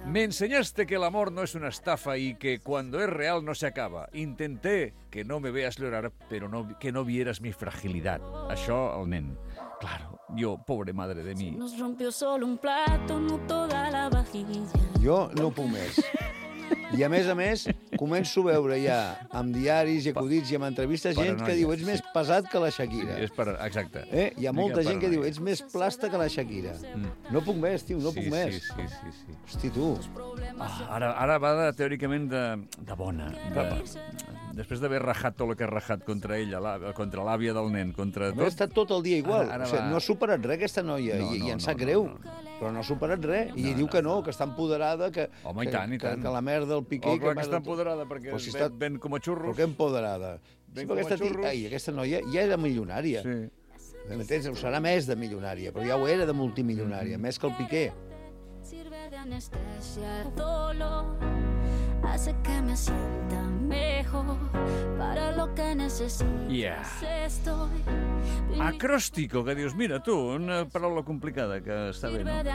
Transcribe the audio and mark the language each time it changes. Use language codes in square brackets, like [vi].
[es] Me enseñaste que el amor no es una estafa y que cuando es real no se acaba. Intenté que no me veas llorar, pero no, que no vieras mi fragilidad. [ca] Això, el nen. [es] Claro, yo, pobre madre de mí. Se nos rompió solo un plato, no toda la vajilla. [ca] Jo no puc més. I a més, començo a veure ja amb diaris i acudits i amb entrevistes gent que diu, ets més pesat que la Shakira. Sí, és per... Exacte. Hi ha molta gent que diu, ets més plasta que la Shakira. No puc més, tio, no puc més. Sí. Hosti, tu. Ara va teòricament de bona. Després d'haver rajat tot el que ha rajat contra ella, contra l'àvia del nen, contra tot... Ha estat tot el dia igual. No ha superat res aquesta noia i em sap greu. Però no ha superat res. I diu que no, que està empoderada, que... Home, i tant. Que la merda, el Piqué... Oh, clar, que està empoderada, perquè si ven com a xurros. Però què empoderada? Ven com a xurros. Aquesta noia ja era milionària. Sí. M'entens? Ho serà més de milionària, però ja ho era de multimilionària, més que el Piqué. [es] Sirve de anestesia el dolor. Hace que me sienta mejor. Para lo que necesitas estoy... [ca] Acròstico, que dius, mira tu, una paraula complicada que està bé, no?